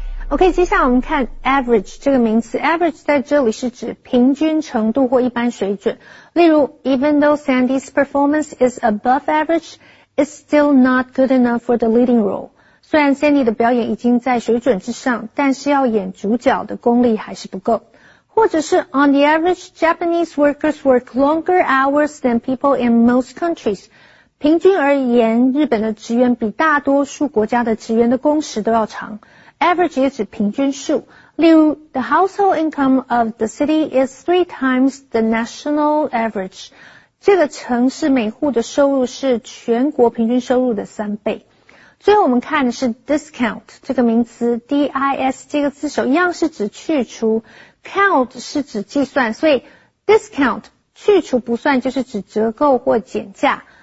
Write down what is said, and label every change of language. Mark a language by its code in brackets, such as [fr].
[zh] Okay, 接下来我们看 average 这个名词。Average 在这里是指平均程度或一般水准。例如 [en] even though Sandy's performance is above average,It's still not good enough for the leading role. [zh] 虽然 Sandy 的表演已经在水准之上，但是要演主角的功力还是不够。或者是 [en] On the average, Japanese workers work longer hours than people in most countries. [zh] 平均而言，日本的职员比大多数国家的职员的工时都要长。 Average 也指平均数。例如 [en] The household income of the city is 3 times the national average. [zh] 这个城市每户的收入是全国平均收入的3倍。最后我们看的是 discount 这个名词 ,D-I-S 这个字首一样是指去除 ,count 是指计算，所以 discount 去除不算就是指折扣或减价。